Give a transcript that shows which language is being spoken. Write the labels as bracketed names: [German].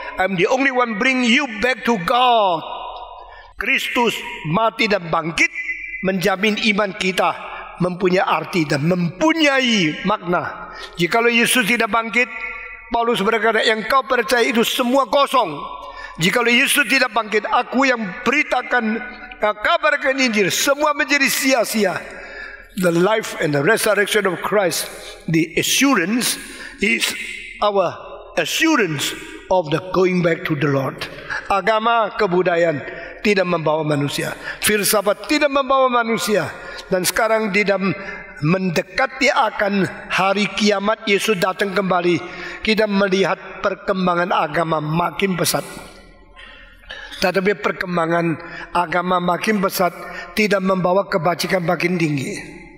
[English] I'm the only one bring you back to God. [Indonesian] Kristus mati dan bangkit menjamin iman kita mempunyai arti dan mempunyai makna. Jikalau Yesus tidak bangkit, Paulus berkata, yang kau percaya itu semua kosong. Jikalau Yesus tidak bangkit, aku yang beritakan kabarkan Injil, semua menjadi sia-sia. [English] The life and the resurrection of Christ, the assurance is our assurance of the going back to the Lord. [Indonesian] Agama, kebudayaan tidak membawa manusia. Filsafat tidak membawa manusia. Dan sekarang di dalam mendekati akan hari kiamat, Yesus datang kembali, kita melihat perkembangan agama makin pesat. Tetapi perkembangan agama makin pesat tidak membawa kebajikan makin tinggi.